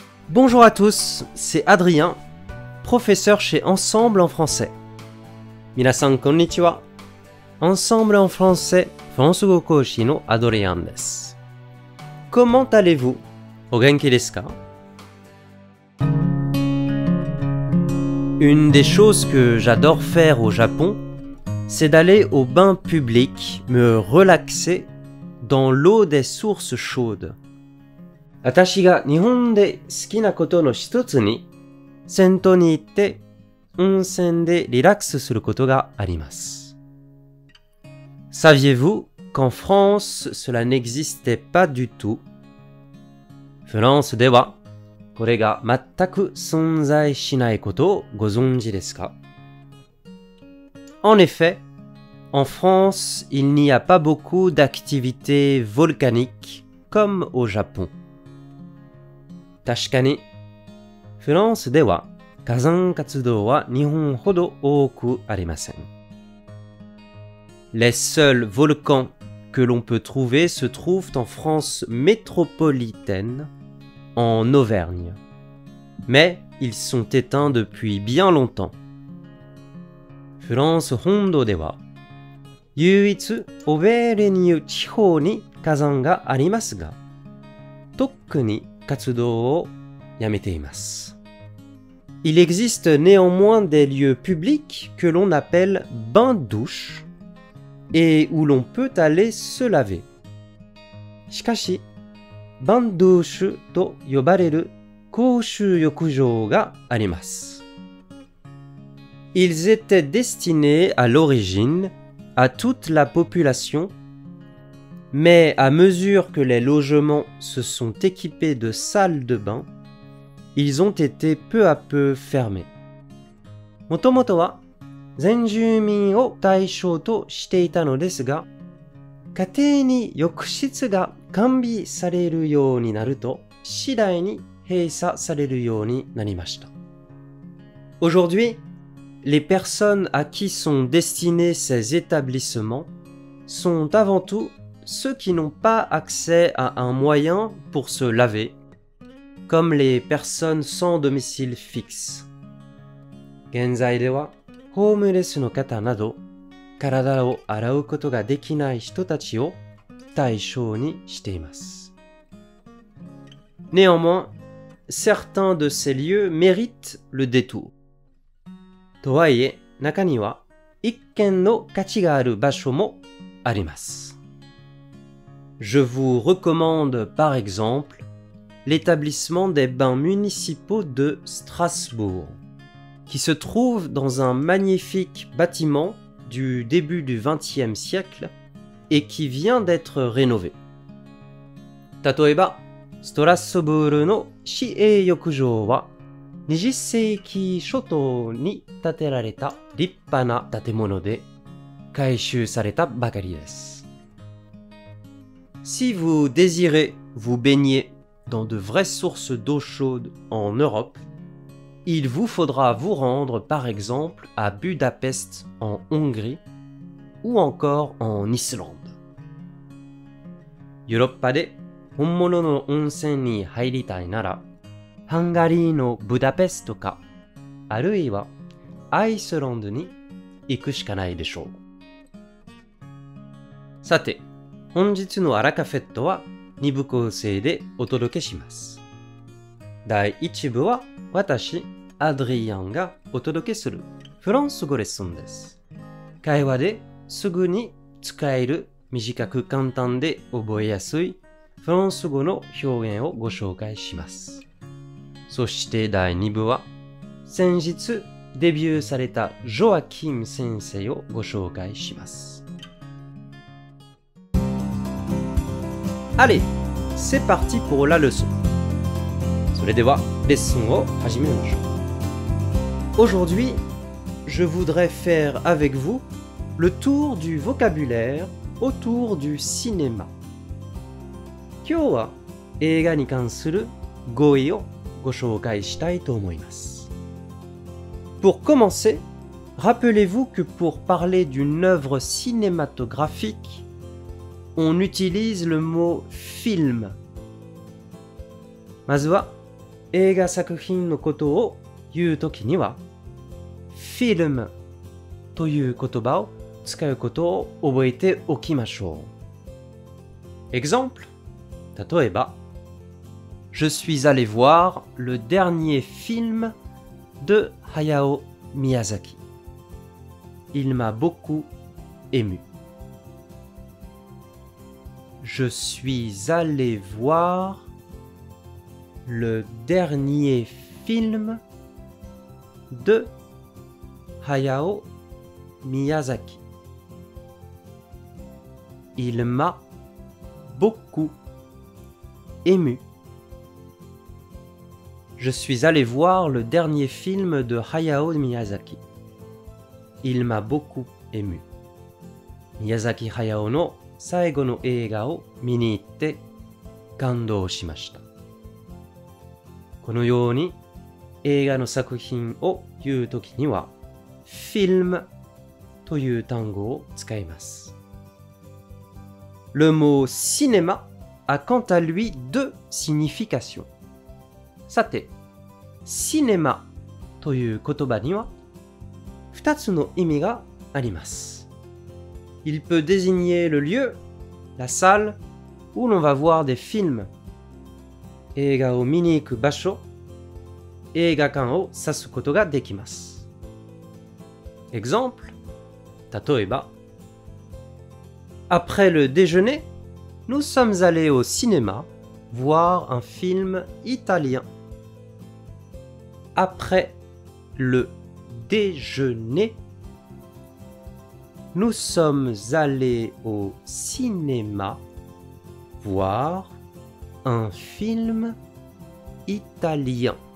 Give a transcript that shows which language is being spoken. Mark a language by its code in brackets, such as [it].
[fr] Bonjour à tous, c'est Adrien, professeur chez Ensemble en français. [ja] 皆さんこんにちは。 Ensemble en français, フランス語講師のアドリアンです。 [fr] Comment allez-vous? [ja] お元気ですか? [fr] Une des choses que j'adore faire au Japon, c'est d'aller au bain public, me relaxer dans l'eau des sources chaudes. [ja] 私が日本で好きなことの一つに、銭湯に行って温泉でリラックスすることがあります。 [fr] Saviez-vous qu'en France cela n'existait pas du tout? [ja] フランスではこれが全く存在しないことをご存知ですか? [fr] En effet, en France, il n'y a pas beaucoup d'activités volcaniques comme au Japon. [ja] 確かに、フランスでは火山活動は日本ほど多くありません。 [fr] Les seuls volcans que l'on peut trouver se trouvent en France métropolitaine. En Auvergne. Mais ils sont éteints depuis bien longtemps. [ja] フランス本土では唯一オベルニュ地方に火山がありますが、とっくに活動をやめています。 [fr] Il existe néanmoins des lieux publics que l'on appelle bain-douche et où l'on peut aller se laver. [ja] しかし、バンドゥーシュと呼ばれる公衆浴場があります。 [fr] Ils étaient destinés à l'origine à toute la population, mais à mesure que les logements se sont équipés de salles de bain, ils ont été peu à peu fermés. [ja] もともとは全住民を対象としていたのですが、家庭に浴室が完備されるようになると、次第に閉鎖されるようになりました。 [fr] Aujourd'hui, les personnes à qui sont destinés ces établissements sont avant tout ceux qui n'ont pas accès à un moyen pour se laver, comme les personnes sans domicile fixe. [ja] 現在では、ホームレスの方など、体を洗うことができない人たちを対象にしています。 [fr] Néanmoins, certains de ces lieux méritent le détour. [ja] とはいえ、中には一見の価値がある場所もあります。 [fr] Je vous recommande, par exemple, l'établissement des bains municipaux de Strasbourg, qui se trouve dans un magnifique bâtimentdu début du XXe siècle et qui vient d'être rénové. [ja] 例えば、ストラスブールの市営浴場は20世紀初頭に建てられた立派な建物で改修されたばかりです。 [fr] Si vous désirez vous baigner dans de vraies sources d'eau chaude en Europe,Il vous faudra vous rendre, par exemple, à Budapest en Hongrie ou encore en Islande. [ja] ヨーロッパで本物の温泉に入りたいなら、ハンガリーのブダペストか、あるいはアイスランドに行くしかないでしょう。さて、本日のアラカフェットは2部構成でお届けします。第1部は私、アドリアンがお届けするフランス語レッスンです。会話ですぐに使える短く簡単で覚えやすいフランス語の表現をご紹介します。そして第2部は先日デビューされたジョアキム先生をご紹介します。 [fr] Allez, c'est parti pour la leçon. [ja] それではレッスンを始めましょう。 [fr] Aujourd'hui, je voudrais faire avec vous le tour du vocabulaire autour du cinéma. [ja] 今日は映画に関する語彙をご紹介したいと思います。 [fr] Pour commencer, rappelez-vous que pour parler d'une œuvre cinématographique, on utilise le mot film. [ja] まずは、映画作品のことを言うときには、 [fr] film [ja] という言葉を使うことを覚えておきましょう。 [fr] Exemple, [ja] 例えば、 [fr] Je suis allé voir le dernier film de Hayao Miyazaki. Il m'a beaucoup ému. Je suis allé voir le dernier film de Hayao Miyazaki. Il m'a beaucoup ému. Je suis allé voir le dernier film de Hayao Miyazaki. Il m'a beaucoup ému. [ja] Miyazaki Hayao の最後の映画を見に行って感動しました。このように映画の作品を言うときには [fr] film [ja] という単語を使います。 [fr] Le mot cinéma a quant à lui deux significations. [ja] さて、cinéma という言葉には二つの意味があります。 [fr] Il peut désigner le lieu, la salle où l'on va voir des films. [ja] 映画を見に行く場所、映画館を指すことができます。 [fr] Exemple, [ja] 例えば、 [fr] Après le déjeuner, nous sommes allés au cinéma voir un film italien. Après le déjeuner, nous sommes allés au cinéma voir un film italien.